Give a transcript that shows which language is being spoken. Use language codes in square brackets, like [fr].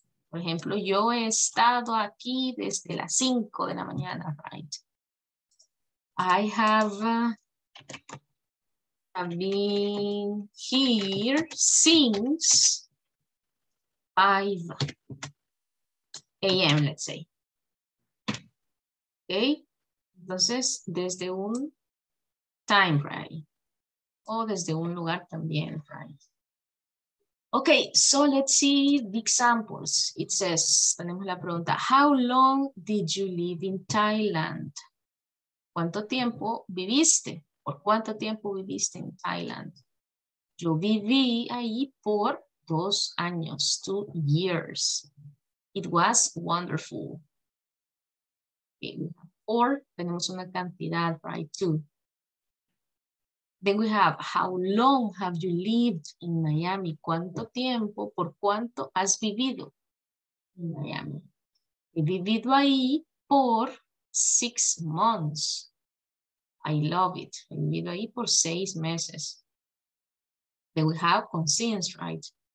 [es] Por ejemplo, yo he estado aquí desde las 5 de la mañana, right? [en] I have been here since 5 a.m., let's say. Okay? [es] Entonces, desde un time, right? O desde un lugar también, right? [en] Okay, so let's see the examples. It says, [es] tenemos la pregunta, [en] how long did you live in Thailand? [es] ¿Cuánto tiempo viviste? ¿Por cuánto tiempo viviste en Thailand? Yo viví ahí por 2 años, 2 years. [en] It was wonderful. Or [es] tenemos una cantidad, [en] right, too. Then we have, how long have you lived in Miami? [es] ¿Cuánto tiempo, por cuánto has vivido in Miami? He vivido ahí por 6 months. [en] I love it. [es] He vivido ahí por 6 meses. [en] Then we have conscience, right?